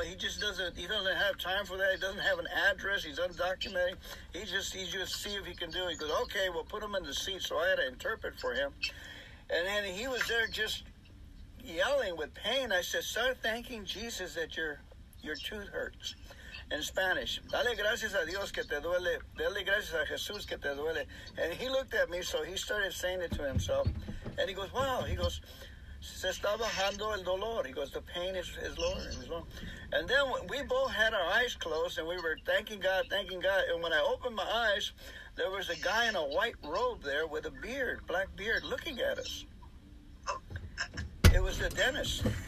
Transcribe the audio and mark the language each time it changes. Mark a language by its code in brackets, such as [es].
[en] He doesn't have time for that. He doesn't have an address. He's undocumented. He just see if he can do it." He goes, "Okay, well, put him in the seat." So I had to interpret for him. And then he was there just yelling with pain. I said, "Start thanking Jesus that your tooth hurts," in Spanish. [es] "Dale gracias a Dios que te duele. Dale gracias a Jesús que te duele." [en] And he looked at me, so he started saying it to himself. And he goes, "Wow." He goes, [es] "Se está bajando el dolor." [en] He goes, "The pain is lowering." And then we both had our eyes closed, and we were thanking God. And when I opened my eyes, there was a guy in a white robe there with a beard, black beard, looking at us. It was the dentist.